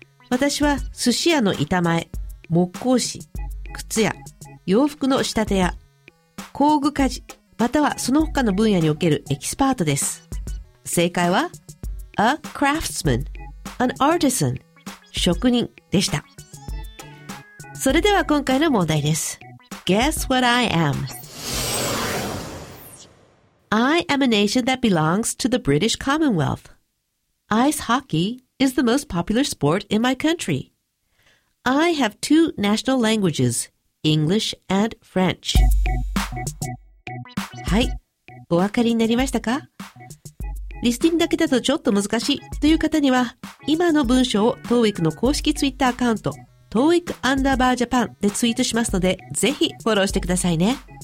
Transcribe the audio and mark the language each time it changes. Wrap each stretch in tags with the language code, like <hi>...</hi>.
<ja>私は寿司屋の板前、木工師、靴屋、洋服の仕立て屋、工具鍛冶、またはその他の分野におけるエキスパートです。正解は</ja> <en>A craftsman, an artisan,</en> <ja>職人でした。それでは今回の問題です。</ja> <en>Guess what I am? I am a nation that belongs to the British Commonwealth. Ice hockey is the most popular sport in my country. I have two national languages, English and French.</en> <ja>はい、お分かりになりましたか？リスティングだけだとちょっと難しいという方には、今の文章を TOEIC の公式 Twitter アカウント、TOEIC Underbar Japan でツイートしますので、ぜひフォローしてくださいね。</ja>